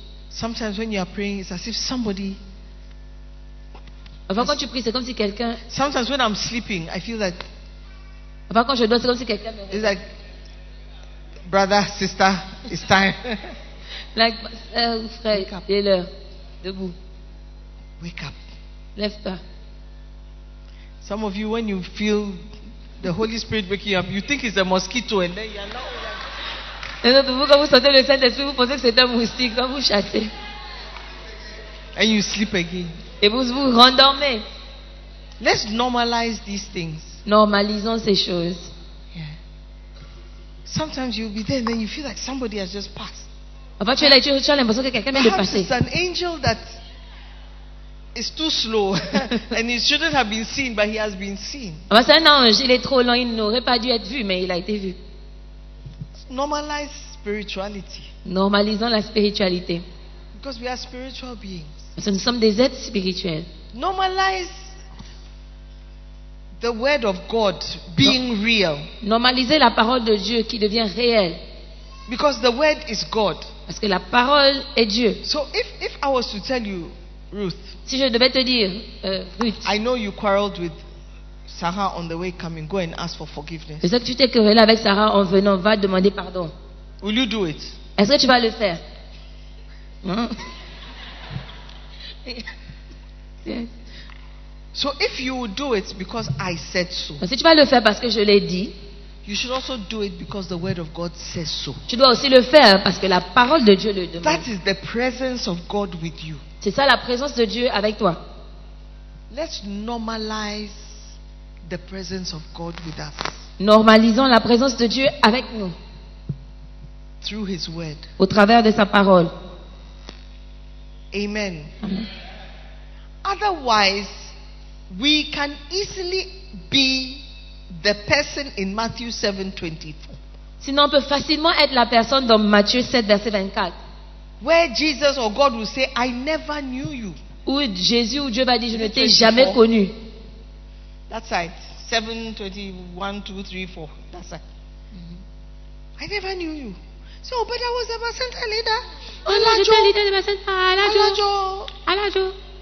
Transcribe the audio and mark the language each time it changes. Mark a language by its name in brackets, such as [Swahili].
[English] Sometimes when you are praying, it's as if somebody. [French] Enfin, quand tu pries, c'est comme si quelqu'un. [English] Sometimes when I'm sleeping, I feel like. [French] Enfin, quand je dors, c'est comme si quelqu'un. [English] It's like, brother, sister, it's time. [French] Like, frère, il est l'heure. Debout. [English] Wake up. [French] Lève-toi. [English] Some of you, when you feel the Holy Spirit waking up, you think it's a mosquito, and then you're not. [French] Vous, quand vous sentez le Saint-Esprit, vous pensez que c'est un moustique, quand vous chassez. [English] And you sleep again. [French] Et vous vous rendormez. [English] Let's normalize these things. [French] Normalisons ces choses. [English] Yeah. Sometimes you'll be there and then you feel like somebody has just passed. [French] Enfin, tu es là, tu as l'impression que quelqu'un vient de passer. [English] It's an angel that is too slow and he shouldn't have been seen, but he has been seen. [French] Enfin, c'est un ange, il est trop lent, il n'aurait pas dû être vu, mais il a été vu. [English] Normalize spirituality. [French] Normalisons la spiritualité. [English] Because we are spiritual beings. [French] Parce que nous sommes des êtres spirituels. [English] Normalize the word of God being real. [French] Normalisez la parole de Dieu qui devient réelle. [English] Because the word is God. [French] Parce que la parole est Dieu. [English] So if I was to tell you, Ruth. [French] Si je devais te dire, Ruth. [English] I know you quarreled with Sarah on the way coming, go and ask for forgiveness. [French] Est-ce que tu t'es querellé avec Sarah en venant, va demander pardon. [English] Will you do it? [French] Est-ce que tu vas le faire? [English] So if you will do it because I said so. [French] Si tu vas le faire parce que je l'ai dit. [English] You should also do it because the word of God says so. [French] Tu dois aussi le faire parce que la parole de Dieu le demande. [English] That is the presence of God with you. [French] C'est ça la présence de Dieu avec toi. [English] Let's normalize the presence of God with us. [French] Normalisons la présence de Dieu avec nous. [English] Through his word. [French] Au travers de sa parole. [English] Amen. Otherwise, we can easily be the person in Matthew 7:24. [French] Sinon, on peut facilement être la personne dans Matthieu 7 verset 24. [English] Where Jesus or God will say, I never knew you. [French] Où Jésus ou Dieu va dire, je ne t'ai jamais connu. [English] That's right. 7:21, 7:23, 7:24. That's right. Mm-hmm. I never knew you. So, but I was a center leader. [French] Oh, no, j'étais leader de ma center. Alajo. Alajo.